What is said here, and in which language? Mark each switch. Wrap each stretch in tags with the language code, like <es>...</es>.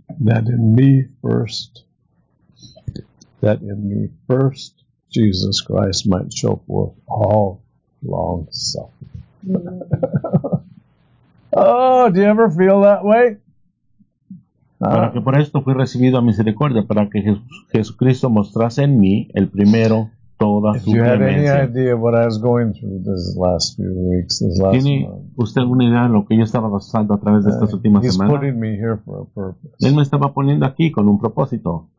<en>That in me first, Jesus Christ might show forth all long suffering. Oh, do you ever feel that way?</en> <es>Para que por esto fui recibido a misericordia, para que Jesucristo mostrase en mí el primero toda su clemencia.</es> <en>If you had any idea what I was going through these last few weeks, this last month.</en> <es>¿Usted alguna idea de lo que yo estaba pasando a través de estas últimas</es> <en>He's</en> <es>semanas?</es> <en>Putting me here for a purpose.</en> <es>Él me estaba poniendo aquí con un propósito.</es>